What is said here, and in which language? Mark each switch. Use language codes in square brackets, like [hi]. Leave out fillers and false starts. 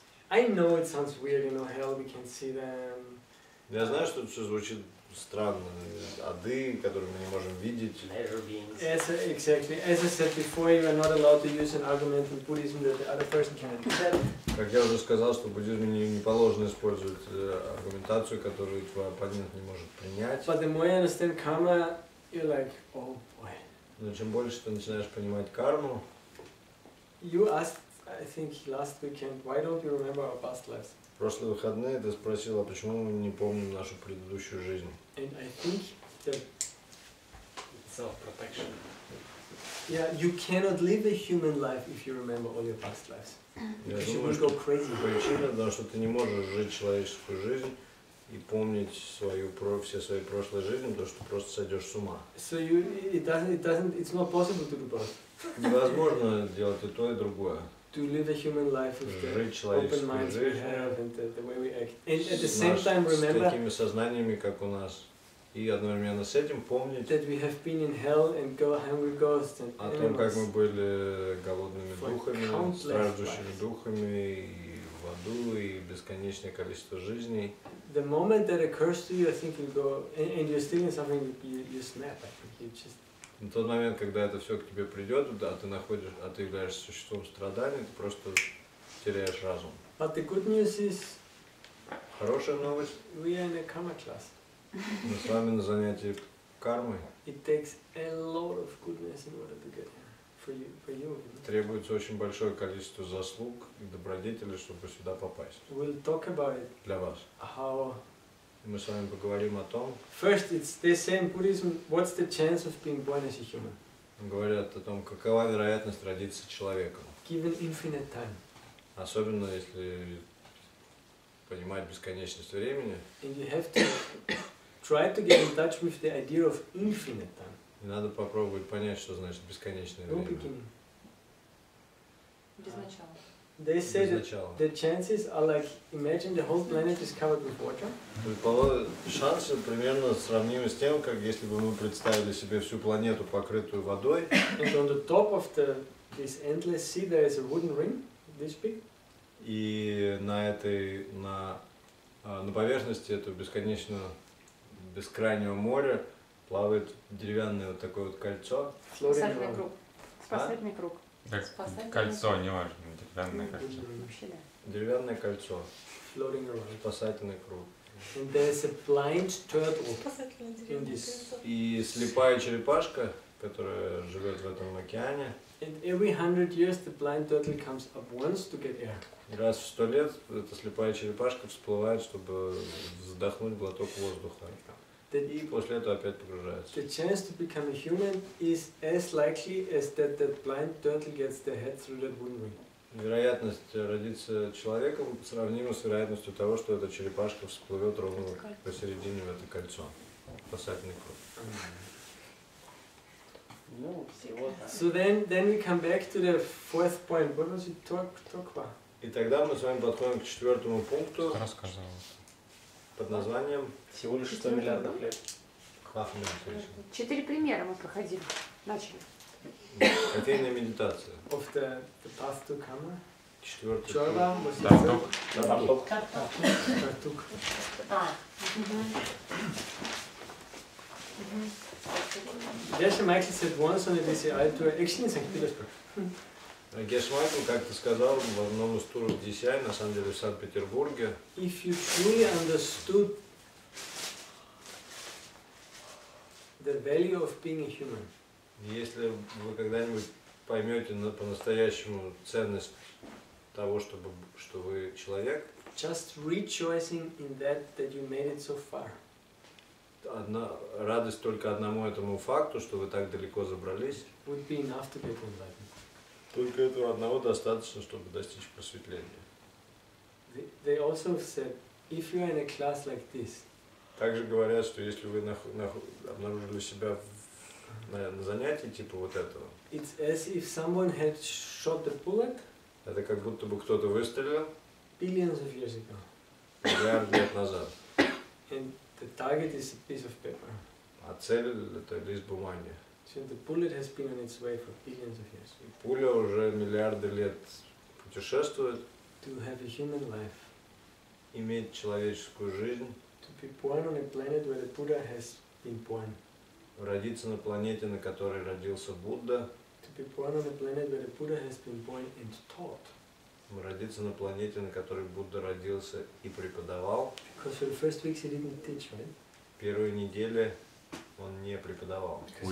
[en] I know it sounds weird, you know, hell, we can see them. [ru] Я знаю, что все звучит странно. Ады, которые мы не можем видеть. [en] As a, exactly. As I said before, you are not allowed to use an argument in Buddhism that the other person can accept. [ru] Как я уже сказал, что в буддизме не положено использовать аргументацию, которую твой оппонент не может принять. [en] But the more you understand karma, you're like, oh boy. [ru] Но чем больше ты начинаешь понимать карму... [en] You asked, I think, last weekend, why don't you remember our past lives? [ru] В прошлые выходные ты спросил, а почему мы не помним нашу предыдущую жизнь? [en] And I think that... Self-protection. Yeah, you cannot live a human life if you remember all your past lives. [ru] Причина, потому что ты не можешь жить человеческую жизнь и помнить свою все свои прошлые жизни, потому что просто сойдешь с ума. [en] So you, it's not possible to do both. [ru] Невозможно делать и то, и другое. [en] To live a human life with the open minds we have and the way we act. And at the same time remember. [ru] С такими сознаниями, как у нас. И одновременно с этим помнить [en] that we have been in hell and go hungry ghosts and [ru] о том, как мы были голодными духами, страждущими духами и в аду, и бесконечное количество жизней. [en] The moment that occurs to you, I think you go and you're still in something, you snap. I think you just [ru] в тот момент, когда это все к тебе придет, да, а ты являешься существом страданий, ты просто теряешь разум. [en] But the good news is [ru] хорошая новость. [en] We are in a karma class. [ru] Мы с вами на занятии кармой. [en] It takes a lot of goodness in order to get for you. [ru] Требуется очень большое количество заслуг и добродетелей, чтобы сюда попасть. [en] We'll talk about it. [ru] Для вас. [en] How? [ru] Мы с вами поговорим о том. [en] First, it's the same Buddhism. What's the chance of being born as a human? [ru] Говорят о том, какова вероятность родиться человеком. [en] Given infinite time. [ru] Особенно если понимать бесконечность времени. [en] And you have to try to get in touch with the idea of infinite time. [ru] И надо попробовать понять, что значит бесконечное время. Без начала. [en] They say that the chances are like, imagine the whole planet is covered with water. [ru] Шансы примерно сравнимы с тем, как если бы мы представили себе всю планету покрытую водой. [en] And on the top of this endless sea there is a wooden ring, this big. [ru] И на этой на поверхности этого бесконечного бескрайнего моря плавает деревянное вот такое вот кольцо. Спасательный круг. Спасательный круг. Так, спасательный кольцо, не важно. Деревянное кольцо. Вообще, да. Деревянное кольцо. [en] Floating around. [ru] Спасательный круг. [en] And there's a blind turtle. [ru] И слепая черепашка, которая живет в этом океане. [en] And every 100 years the blind turtle comes up once to get air. [ru] Раз в 100 лет эта слепая черепашка всплывает, чтобы вздохнуть глоток воздуха. И после этого опять погружается. [en] The chance to become a human is as likely as that blind turtle gets their head through that wooden ring. [ru] Вероятность родиться человеком сравнима с вероятностью того, что эта черепашка всплывет ровно посередине в это кольцо. Спасательный круг. [en] So then we come back to the fourth point. What was it talk about? [ru] И тогда мы с вами подходим к четвертому пункту. Рассказывал. Под названием всего лишь 100 миллиардов лет. [en] Half a minute. [ru] Четыре примера мы проходили. Начали. Кофейная медитация. [en] Of the path to karma. [ru] Четвертый. Чорва, мусицук. Картук. Картук. [en] Геша Майкл said once on a DCI tour, actually in Санкт-Петербург. [ru] Гешмайку, как ты сказал, в одном из туров DCI, на самом деле в Санкт-Петербурге. [en] If you truly understood the value of being a human. [ru] Если вы когда-нибудь поймете по-настоящему ценность того, что вы человек. [en] Just rejoicing in that you made it so far. [ru] Радость только одному этому факту, что вы так далеко забрались. [en] Would be enough to get enlightened. [ru] Только этого одного достаточно, чтобы достичь просветления. [en] They also said, if you're in a class like this. [ru] Также говорят, что если вы обнаружили себя наверное, занятий, типа вот этого. [en] It's as if someone had shot the bullet. [ru] Это как будто бы кто-то выстрелил. [en] Billions of years ago. [ru] Миллиард лет назад. [en] And the target is a piece of paper. [ru] А цель — это лист бумаги. [en] So the bullet has been on its way for billions of years. [ru] Пуля уже миллиарды лет путешествует. [en] To have a human life. [ru] Иметь человеческую жизнь. [en] To be born on a planet where the Buddha has been born. [ru] Родиться на планете, на которой родился Будда. [en] To be born on a planet where the Buddha has been born and taught. [ru] Родиться на планете, на которой Будда родился и преподавал. [en] Because for the first weeks he didn't teach, right? [ru] Первые недели он не преподавал.